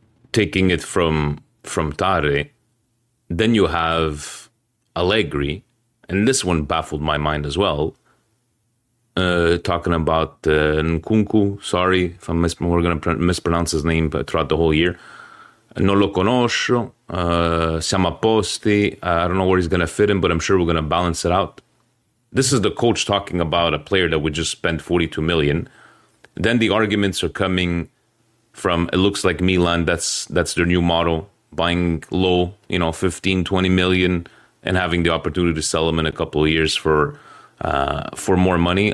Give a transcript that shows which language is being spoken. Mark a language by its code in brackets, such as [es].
[en] Taking it from Tare, then you have Allegri, and this one baffled my mind as well, talking about Nkunku. Sorry if I'm mispronounce his name throughout the whole year. [it] Non lo conosco, siamo a posti. [en] I don't know where he's going to fit in, but I'm sure we're going to balance it out. This is the coach talking about a player that we just spent 42 million. Then the arguments are coming from, it looks like Milan, that's their new model, buying low, you know, 15, 20 million and having the opportunity to sell them in a couple of years for more money.